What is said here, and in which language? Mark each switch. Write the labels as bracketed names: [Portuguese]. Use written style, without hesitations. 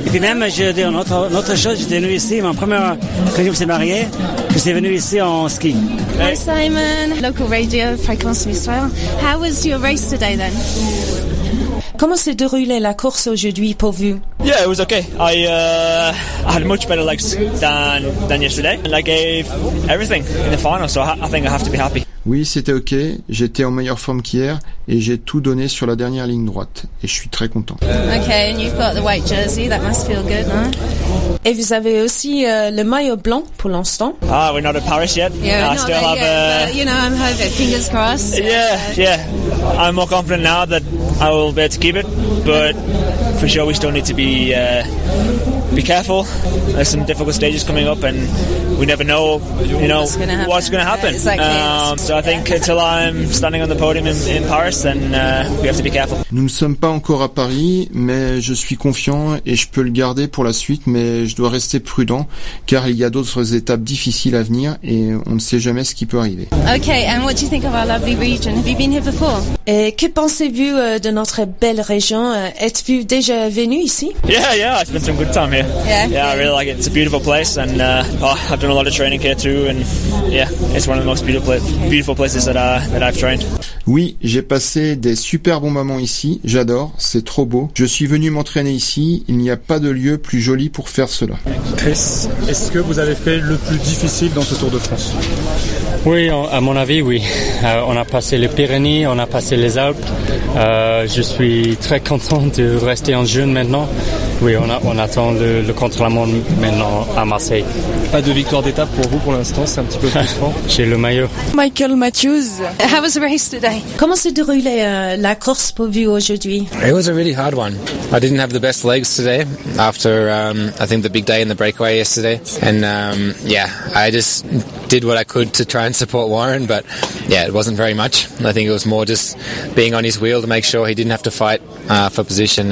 [French] Et puis même, je veux dire, une autre chose, j'étais venu ici, mon premier, quand je me suis marié, je suis venu ici en ski. [English] Hi Simon, local radio, fréquence mystère. How was your race today then? [French] Comment s'est déroulée la course aujourd'hui pour vous? [English] Yeah, it was okay. I had much better legs than yesterday. And I gave everything in the final, so I think I have to be happy. [French] Oui, c'était ok. J'étais en meilleure forme qu'hier et j'ai tout donné sur la dernière ligne droite. Et je suis très content. [English] Okay, and you've got the white jersey. That must feel good, no? [French] Et vous avez aussi le maillot blanc pour l'instant. [English] Ah, we're not at Paris yet. Yeah, no, I still have yet, you know, I'm hoping, fingers crossed. Yeah. I'm more confident now that I will be able to keep it, but for sure we still need to be careful. There's some difficult stages coming up and we never know, you know, what's going to happen. So I think until I'm standing on the podium in Paris, then we have to be careful. [French] Nous ne sommes pas encore à Paris, mais je suis confiant et je peux le garder pour la suite, mais je dois rester prudent car il y a d'autres étapes difficiles à venir et on ne sait jamais ce qui peut arriver. [English] Okay, and what do you think of our lovely region? Have you been here before? [French] Et que pensez-vous de notre belle région? Êtes-vous déjà venu ici? [English] Yeah, I've spent some good time here. Yeah, I really like it. It's a beautiful place and I've done a lot of training here too and yeah, it's one of the most beautiful places that I've trained. [French] Oui, j'ai passé des super bons moments ici. J'adore, c'est trop beau. Je suis venu m'entraîner ici. Il n'y a pas de lieu plus joli pour faire cela. Chris, est-ce que vous avez fait le plus difficile dans ce Tour de France? Oui, à mon avis, oui. On a passé les Pyrénées, on a passé les Alpes. Je suis très content de rester en jeûne maintenant. Oui, on attend le contre-la-montre maintenant à Marseille. Pas de victoire d'étape pour vous pour l'instant, c'est un petit peu frustrant. J'ai le maillot. [English] Michael Matthews, how was the race today? [French] Comment s'est déroulée la course pour vous aujourd'hui? [English] It was a really hard one. I didn't have the best legs today after I think the big day in the breakaway yesterday. And yeah, I just did what I could to try and support Warren, but yeah, it wasn't very much. I think it was more just being on his wheel to make sure he didn't have to fight for position.